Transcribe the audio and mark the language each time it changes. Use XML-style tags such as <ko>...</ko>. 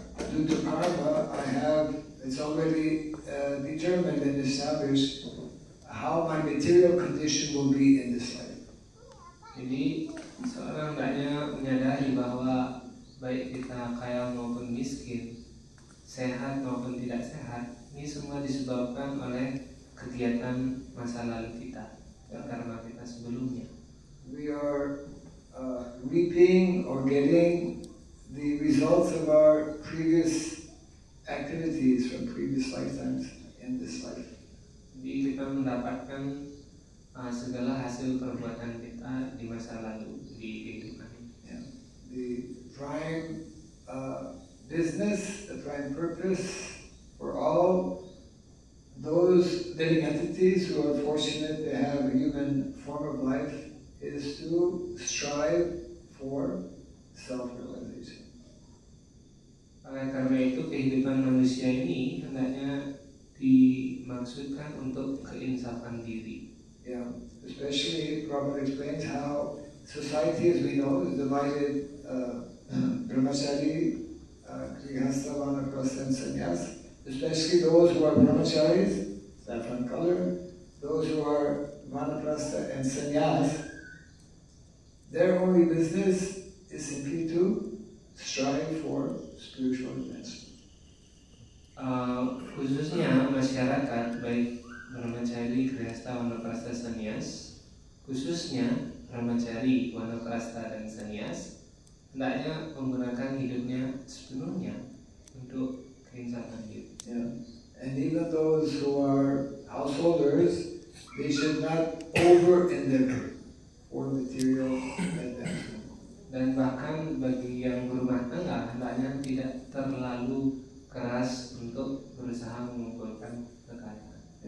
<en>Due to karma, it's already determined and established how my material condition will be in this life.</en> <id>Jadi, seorang tanya menyadari bahwa baik kita kaya maupun miskin, sehat maupun tidak sehat, ini semua disebabkan oleh kegiatan masa lalu kita, karma kita sebelumnya.</id> <en>We are reaping or getting the results of our previous activities from previous lifetimes in this life.</en> <id>Jadi kita mendapatkan segala hasil perbuatan kita di masa lalu di kehidupan ini.</id> <en>The prime business, the prime purpose for all those living entities who are fortunate to have a human form of life is to strive for self-realization.</en> <id>Oleh karena itu, kehidupan manusia ini hendaknya dimaksudkan untuk keinsafan diri.</id> <en>Yeah, especially Prabhupada explains how society, as we know, is divided brahmachari, grihastha, vanaprastha, and sannyas. Especially those who are brahmacharis, saffron color, those who are vanaprastha and sannyas, their only business is simply to strive for spiritual advancement.</en> <id>Khususnya masyarakat, baik brahmachari, grihastha, vanaprastha, sannyas, khususnya brahmachari, vanaprastha, dan sannyas, hendaknya menggunakan hidupnya sepenuhnya untuk keinsafan diri. Yeah.</id> <en>And even those who are householders, they should not over endeavor for material advancement.</en> <id>Dan bahkan bagi yang berumah tangga, hendaknya tidak terlalu keras untuk berusaha mengumpulkan kekayaan.</id>